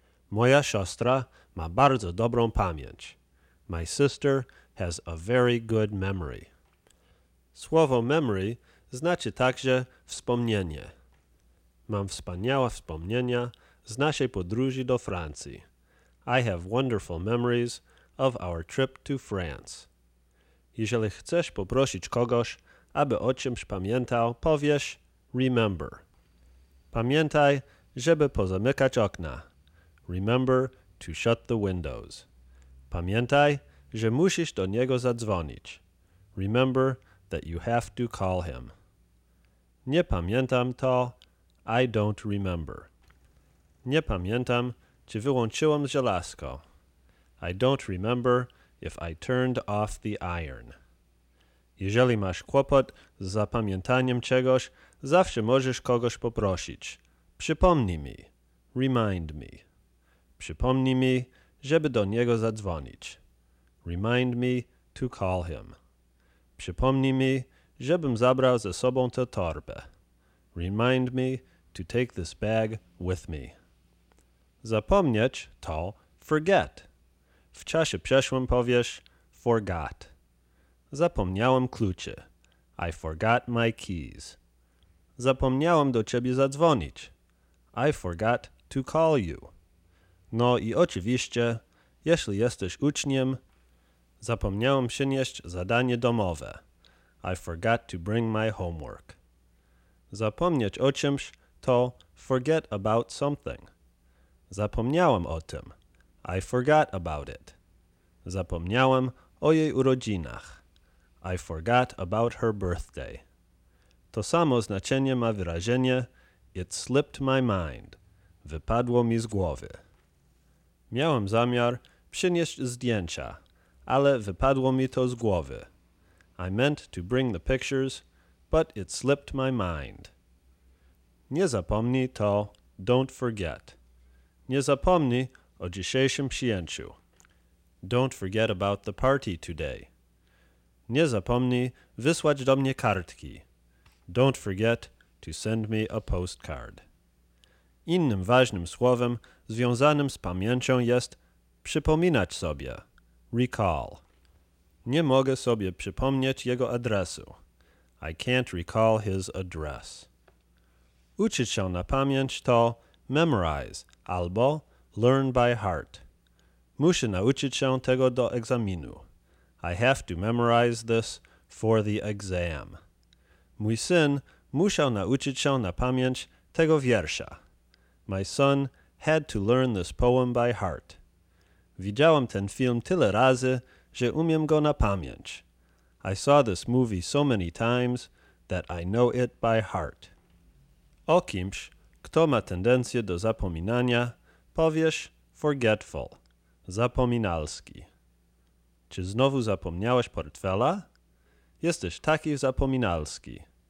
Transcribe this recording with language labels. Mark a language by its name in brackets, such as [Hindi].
[Polish] Moja siostra ma bardzo dobrą pamięć. [English] My sister has a very good memory. [Polish] Słowo memory znaczy także wspomnienie. Mam wspaniałe wspomnienia z naszej podróży do Francji. [English] I have wonderful memories of our trip to France. [Polish] Jeżeli chcesz poprosić kogoś, aby o czymś pamiętał, powiesz remember. Pamiętaj, żeby pozamykać okna. [English] Remember to shut the windows. [Polish] Pamiętaj, że musisz do niego zadzwonić. [English] Remember that you have to call him. [Polish] Nie pamiętam to. [English] I don't remember. [Polish] Nie pamiętam, czy wyłączyłem żelazko. [English] I don't remember if I turned off the iron. [Polish] Jeżeli masz kłopot z zapamiętaniem czegoś, zawsze możesz kogoś poprosić. Przypomnij mi. [English] Remind me. [Polish] Przypomnij mi, żeby do niego zadzwonić. [English] Remind me to call him. [Polish] Przypomnij mi, żebym zabrał ze sobą tę torbę. [English] Remind me to take this bag with me. [Polish] Zapomnieć to forget. W czasie przeszłym powiesz forgot. Zapomniałem klucze. [English] I forgot my keys. [Polish] Zapomniałem do ciebie zadzwonić. [English] I forgot to call you. [Polish] No i oczywiście, jeśli jesteś uczniem, zapomniałem przynieść zadanie domowe. [English] I forgot to bring my homework. [Polish] Zapomnieć o czymś to [English] forget about something. [Polish] Zapomniałem o tym. [English] I forgot about it. [Polish] Zapomniałem o jej urodzinach. [English] I forgot about her birthday. [Polish] To samo znaczenie ma wyrażenie [English] it slipped my mind. [Polish] Wypadło mi z głowy. Miałem zamiar przynieść zdjęcia, ale wypadło mi to z głowy. [English] I meant to bring the pictures, but it slipped my mind. [Polish] Nie zapomnij to, [English] don't forget. [Polish] Nie zapomnij o dzisiejszym przyjęciu. [English] Don't forget about the party today. [Polish] Nie zapomnij wysłać do mnie kartki. [English] Don't forget to send me a postcard. [Polish] Innym ważnym słowem związanym z pamięcią jest przypominać sobie. Recall. Nie mogę sobie przypomnieć jego adresu. [English] I can't recall his address. [Polish] Uczyć się na pamięć to memorize albo [English] learn by heart. [Polish] Muszę nauczyć się tego do egzaminu. [English] I have to memorize this for the exam. [Polish] Mój syn musiał nauczyć się na pamięć tego wiersza. [English] My son had to learn this poem by heart. [Polish] Widziałem ten film tyle razy, że umiem go na pamięć. [English] I saw this movie so many times that I know it by heart. [Polish] O kimś, kto ma tendencję do zapominania, powiesz forgetful, zapominalski. Czy znowu zapomniałeś portfela? Jesteś taki zapominalski.